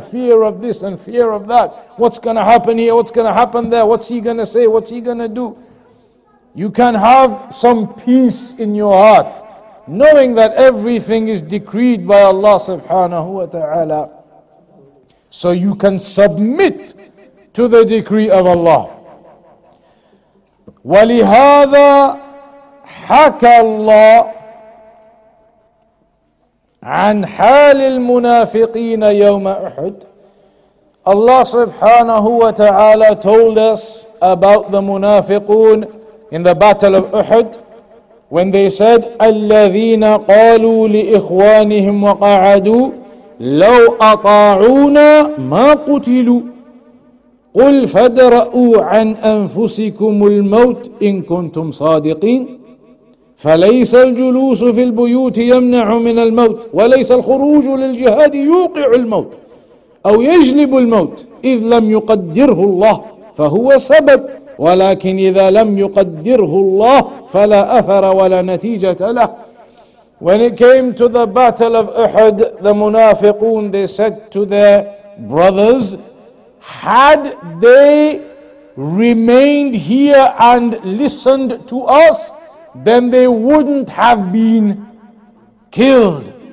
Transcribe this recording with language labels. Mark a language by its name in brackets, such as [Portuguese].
[English] Fear of this and fear of that. What's going to happen here? What's going to happen there? What's he going to say? What's he going to do? You can have some peace in your heart, knowing that everything is decreed by Allah subhanahu wa ta'ala. So you can submit to the decree of Allah. [Arabic] وَلِهَذَا حَكَى اللَّهُ عن حال المنافقين يوم أحد. [English] Allah subhanahu wa ta'ala told us about the munafiqun in the battle of Uhud, when they said, [Arabic] الذين قالوا لإخوانهم وقعدوا لو أطاعونا ما قتلوا قل فدرؤوا عن أنفسكم الموت إن كنتم صادقين فليس الجلوس في البيوت يمنع من الموت وليس الخروج للجهاد يوقع الموت أو يجلب الموت إذ لم يقدره الله فهو سبب ولكن إذا لم يقدره الله فلا أثر ولا نتيجة له. [English] When it came to the battle of Uhud, the munafiqun, they said to their brothers, had they remained here and listened to us, then they wouldn't have been killed.